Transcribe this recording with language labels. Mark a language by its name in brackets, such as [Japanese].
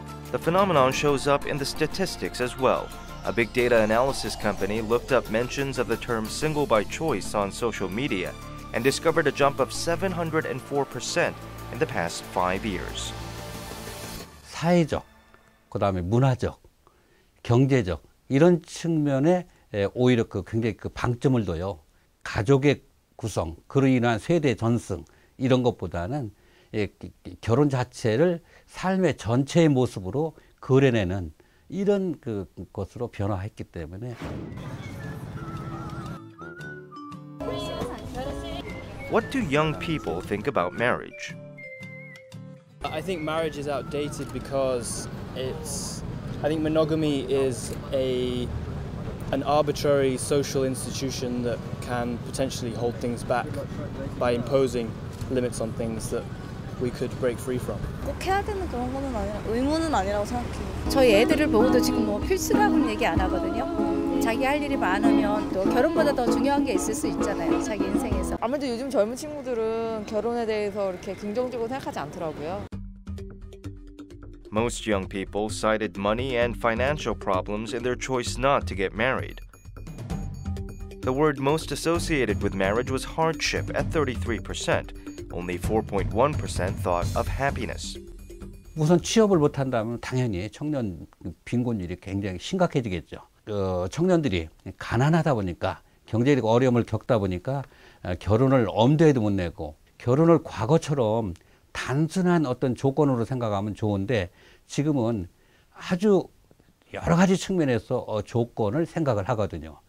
[English] The phenomenon shows up in the statistics as well. A big data analysis company looked up mentions of the term single by choice on social media and discovered a jump of 704% in the past 5 years. [Korean] 사회적, 그다음에 문화적, 경제적 이런 측면에 오히려 그 굉장히 그 방점을 둬요. 가족의 구성, 그로 인한 세대 전승 이런 것보다는 결혼 자체를 삶의 전체의 모습으로 그려내는 이런 그 것으로 변화했기 때문에. [English] What do young people think about marriage? I think marriage is outdated because it's I think monogamy is an arbitrary social institution that can potentially hold things back by imposing limits on things that we could break free from. [Korean] 꼭 해야 되는 그런 거는 아니야. 의무는 아니라고 생각해요. 저희 애들을 보고도 지금 뭐 필수라고는 얘기 안 하거든요. 자기 할 일이 많으면 또 결혼보다 더 중요한 게 있을 수 있잖아요. 자기 인생에서. 아무래도 요즘 젊은 친구들은 결혼에 대해서 이렇게 긍정적으로 생각하지 않더라고요. [English] Most young people cited money and financial problems in their choice not to get married. The word most associated with marriage was hardship at 33%. Only 4.1% thought of happiness. [Korean] 우선 취업을 못 한다면 당연히 청년 빈곤율이 굉장히 심각해지겠죠. 청년들이 가난하다 보니까 경제적 어려움을 겪다 보니까 결혼을 엄두에도 못 내고 결혼을 과거처럼 단순한 어떤 조건으로 생각하면 좋은데 지금은 아주 여러 가지 측면에서 조건을 생각을 하거든요.